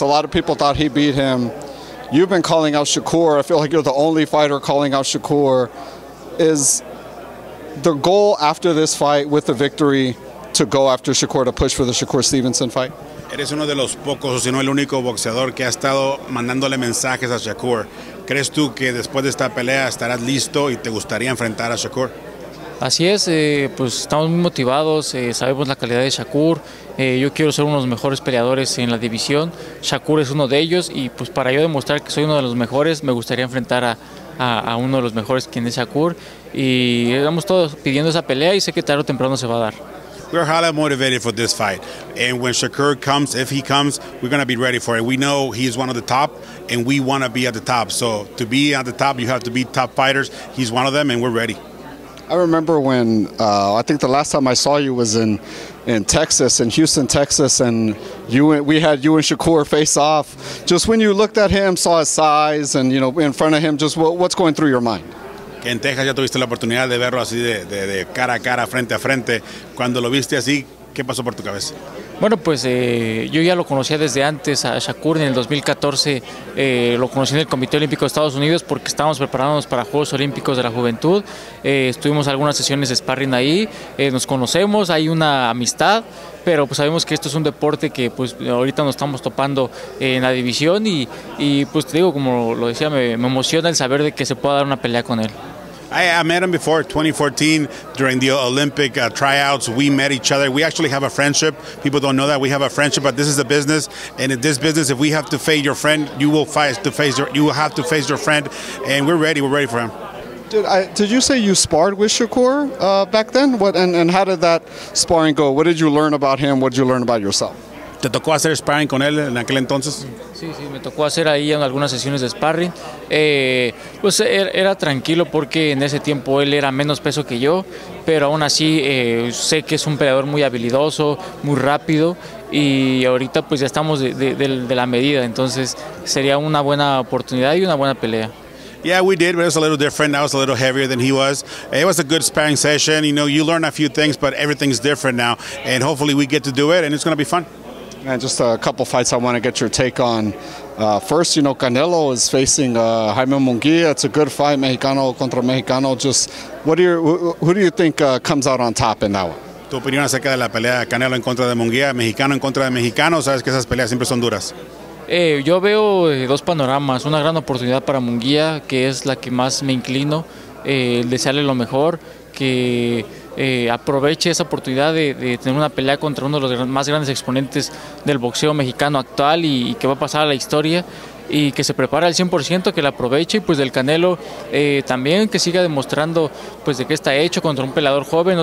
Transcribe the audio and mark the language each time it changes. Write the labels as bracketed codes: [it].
[en] A lot of people thought he beat him. You've been calling out Shakur. I feel like you're the only fighter calling out Shakur. Is the goal after this fight with the victory to go after Shakur, to push for the Shakur Stevenson fight? [es] Eres uno de los pocos, o si no el único boxeador que ha estado mandándole mensajes a Shakur. ¿Crees tú que después de esta pelea estarás listo y te gustaría enfrentar a Shakur? Así es, pues estamos muy motivados, sabemos la calidad de Shakur. Yo quiero ser uno de los mejores peleadores en la división. Shakur es uno de ellos y pues para yo demostrar que soy uno de los mejores, me gustaría enfrentar a uno de los mejores, quien es Shakur. Y estamos todos pidiendo esa pelea y sé que tarde o temprano se va a dar. [en] We're highly motivated for this fight. And when Shakur comes, if he comes, we're going to be ready for it. We know he's one of the top, and we want to be at the top. So to be at the top, you have to be top fighters. He's one of them, and we're ready. I remember when, I think the last time I saw you was in Texas, in Houston, Texas, and we had you and Shakur face off. Just when you looked at him, saw his size, and, you know, in front of him, just what's going through your mind? [es] En Texas ya tuviste la oportunidad de verlo así de cara a cara, frente a frente. Cuando lo viste así, ¿qué pasó por tu cabeza? Bueno, pues yo ya lo conocía desde antes a Shakur. En el 2014 lo conocí en el Comité Olímpico de Estados Unidos porque estábamos preparándonos para Juegos Olímpicos de la Juventud. Estuvimos algunas sesiones de sparring ahí. Nos conocemos, hay una amistad, pero pues sabemos que esto es un deporte que pues ahorita nos estamos topando en la división y pues te digo, como lo decía, me emociona el saber de que se pueda dar una pelea con él. [en] I met him before 2014 during the Olympic tryouts. We met each other. We actually have a friendship. People don't know that we have a friendship, but this is a business. And in this business, if we have to face your friend, you will fight to face your, you will have to face your friend. And we're ready. We're ready for him. Did you say you sparred with Shakur back then? And how did that sparring go? What did you learn about him? What did you learn about yourself? [es] ¿Te tocó hacer sparring con él en aquel entonces? Sí, me tocó hacer ahí en algunas sesiones de sparring. Pues era tranquilo porque en ese tiempo él era menos peso que yo, pero aún así sé que es un peleador muy habilidoso, muy rápido, y ahorita pues ya estamos de la medida, entonces sería una buena oportunidad y una buena pelea. [en] Yeah, we did, but it was a little different. I was a little heavier than he was. It was a good sparring session. You know, you learn a few things, but everything's different now, and hopefully we get to do it, and it's going to be fun. And just a couple fights I want to get your take on. First, you know, Canelo is facing Jaime Munguia. It's a good fight, [es] Mexicano contra Mexicano. [en] Just who do you think comes out on top in that one? [es] Tu opinión acerca de la pelea Canelo en contra de Munguia, Mexicano en contra de Mexicano. Sabes que esas peleas siempre son duras. Yo veo dos panoramas. Una gran oportunidad para Munguia, que es la que más me inclino. Desearle lo mejor, que aproveche esa oportunidad de tener una pelea contra uno de los más grandes exponentes del boxeo mexicano actual y que va a pasar a la historia, y que se prepare al 100%, que la aproveche. Y pues del Canelo también, que siga demostrando pues de qué está hecho contra un peleador joven.